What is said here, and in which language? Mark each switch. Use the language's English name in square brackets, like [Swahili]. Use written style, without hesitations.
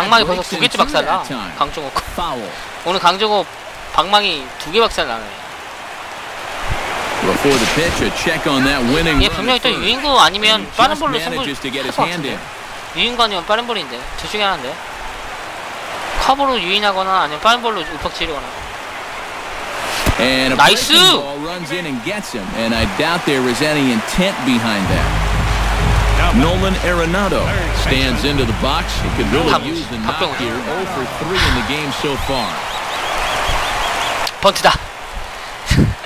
[Korean] 방망이 벌써 두 개째 박살나. 강정호. 오늘 강정호 방망이 두 개 박살 나네. [English] Before the pitch, a check on that winning. [Korean] 예, 분명히 또 유인구 아니면 빠른 볼로 승부 할 것 같은데. 유인구 아니면 빠른 볼인데 둘 중에 하나인데. 커버로 유인하거나 아니면 빠른 볼로 우퍽 치르거나. [English] And a nice ball runs in and gets him, and I doubt there is any intent behind that. Nolan Arenado stands into the box. He can really use the knock here. 0 for 3 in the game so far. [Korean] 번트다.